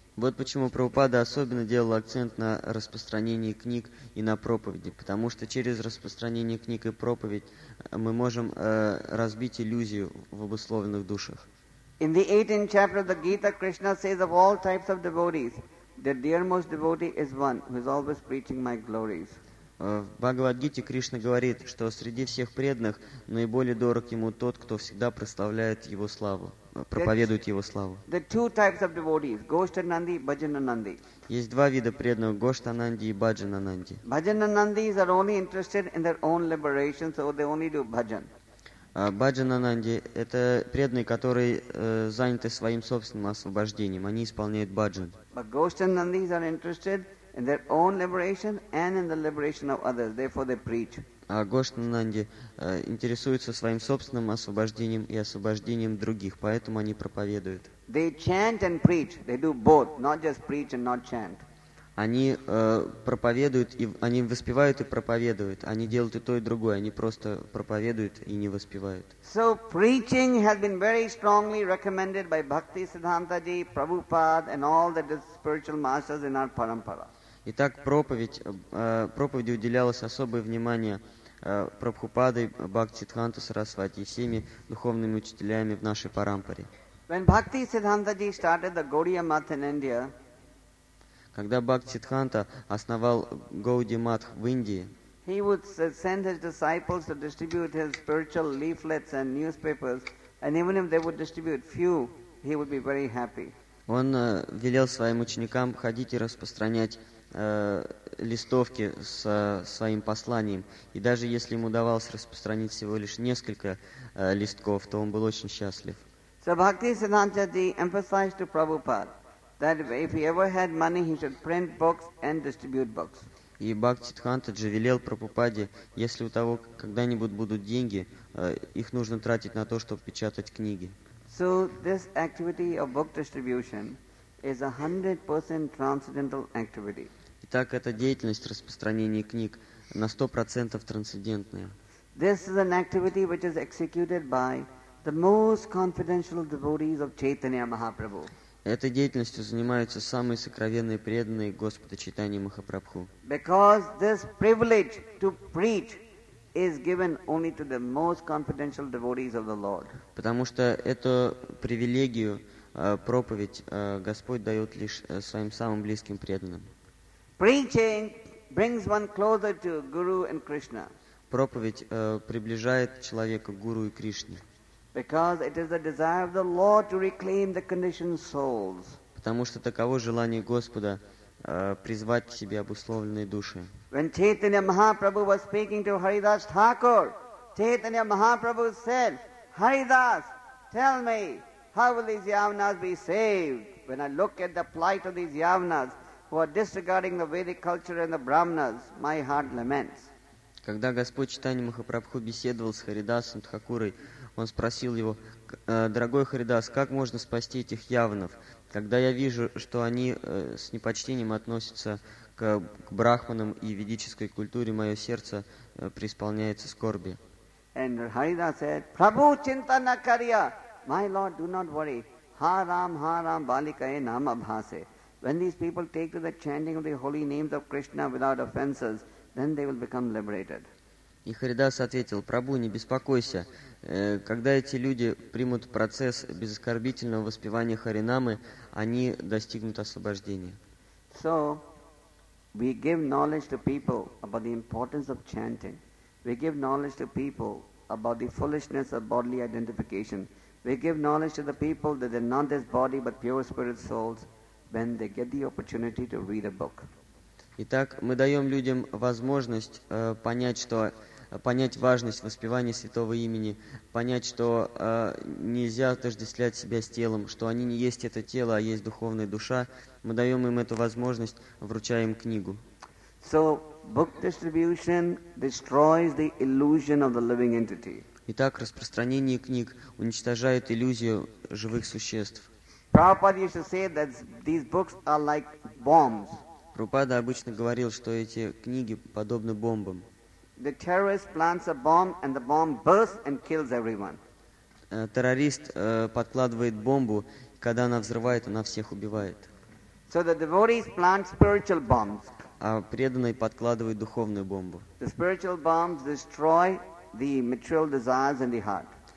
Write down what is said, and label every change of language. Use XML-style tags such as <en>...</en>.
<ru>Вот почему Прабхупада особенно делал акцент на распространении книг и на проповеди. Потому что через распространение книг и проповедь мы можем разбить иллюзию в обусловленных душах.</ru> <en>In the 18th chapter of the Gita, Krishna says of all types of devotees, the dearmost devotee is one who is always preaching my glories.</en> <ru>В Бхагавад-гите Кришна говорит, что среди всех преданных наиболее дорог ему тот, кто всегда прославляет его славу, проповедует его славу.</ru> <en>The two types of devotees, Goshtananandi, Bhajananandi.</en> <ru>Есть два вида преданных, Goshtananandi и Bhajananandi.</ru> <en>Bhajananandis are only interested in their own liberation, so they only do bhajan.</en> <ru>Bhajananandi – это преданные, которые заняты своим собственным освобождением. Они исполняют bhajan.</ru> <en>But Goshtananandis are interested in their own liberation and in the liberation of others. Therefore, they preach.</en> <ru>А Goshtananandi интересуются своим собственным освобождением и освобождением других. Поэтому они проповедуют.</ru> <en>They chant and preach. They do both, not just preach and not chant.</en> <ru>Они проповедуют, и они воспевают и проповедуют. Они делают и то, и другое. Они просто проповедуют и не воспевают.</ru> <en>So preaching has been very strongly recommended by Bhakti Siddhanta Ji, Prabhupada, and all the spiritual masters in our parampara.</en> <ru>Итак, проповеди уделялось особое внимание Прабхупадой, Бхакти Сиддханта Сарасвати и всеми духовными учителями в нашей парампаре.</ru> <en>When Bhakti Siddhanta Ji started the Gaudiya Math in India,</en> <ru>когда Бхакти Сиддханта основал Гауди Матх в Индии,</ru> <en>he would send his disciples to distribute his spiritual leaflets and newspapers, and even if they would distribute few, he would be very happy.</en> <ru>Он велел своим ученикам ходить и распространять листовки со своим посланием, и даже если ему удавалось распространить всего лишь несколько листков, то он был очень счастлив.</ru> <en>So Bhakti Siddhanta Ji emphasized to Prabhupada that if he ever had money, he should print books and distribute books.</en> <ru>И Бхакти Сиддханта Джи велел Прабхупаде, если у того когда-нибудь будут деньги, их нужно тратить на то, чтобы печатать книги.</ru> <en>So this activity of book distribution is 100% transcendental activity.</en> <ru>Итак, эта деятельность распространения книг на 100% трансцендентное.</ru> <en>This is an activity which is executed by the most confidential devotees of Chaitanya Mahaprabhu.</en> <ru>Этой деятельностью занимаются самые сокровенные преданные Господа Чайтаньи Махапрабху.</ru> <en>Because this privilege to preach is given only to the most confidential devotees of the Lord.</en> <ru>Потому что эту привилегию проповедь Господь дает лишь своим самым близким преданным.</ru> <en>Preaching brings one closer to Guru and Krishna.</en> <ru>Проповедь приближает человека к Гуру и Кришне.</ru> <en>Because it is the desire of the Lord to reclaim the conditioned souls.</en> <ru>Потому что таково желание Господа призвать к себе обусловленные души.</ru> <en>When Chaitanya Mahaprabhu was speaking to Haridas Thakur, Chaitanya Mahaprabhu said, Haridas, tell me, how will these yavanas be saved? When I look at the plight of these yavanas who are disregarding the Vedic culture and the Brahmanas, my heart laments.</en> <ru>Когда Господь Чайтанья Махапрабху беседовал с Харидасом Тхакурой, он спросил его: «Дорогой Харидас, как можно спасти этих явнов, когда я вижу, что они с непочтением относятся к брахманам и ведической культуре, мое сердце преисполняется скорби».</ru> <en>And Harida said,</en> <bn>Prabhu chintana kariya,</bn> <en>my lord, do not worry.</en> <bn>Haram, haram, balikaye nama bhase.</bn> <en>When these people take to the chanting of the holy names of Krishna without offenses, then they will become liberated.</en> <ru>И Харидас ответил: «Прабу, не беспокойся. Когда эти люди примут процесс безоскорбительного воспевания Харинамы, они достигнут освобождения».</ru> <en>So, we give knowledge to people about the importance of chanting. We give knowledge to people about the foolishness of bodily identification. We give knowledge to the people that they're not this body, but pure spirit souls, when they get the opportunity to read a book.</en> <ru>Итак, мы даем людям возможность понять важность воспевания святого имени, понять, что нельзя отождествлять себя с телом, что они не есть это тело, а есть духовная душа. Мы даем им эту возможность, вручая им книгу.</ru> <en>So, book distribution destroys the illusion of the living entity.</en> <ru>Итак, распространение книг уничтожает иллюзию живых существ.</ru> <en>Prabhupada used to say that these books are like bombs.</en> <ru>Прабхупада обычно говорил, что эти книги подобны бомбам.</ru> <en>The terrorist plants a bomb, and the bomb bursts and kills everyone.</en> <ru>Террорист подкладывает бомбу, и когда она взрывает, она всех убивает.</ru> <en>So the devotees plant spiritual bombs.</en> <ru>А преданные подкладывают духовную бомбу.</ru> <en>The spiritual bombs destroy the material desires in the heart.</en>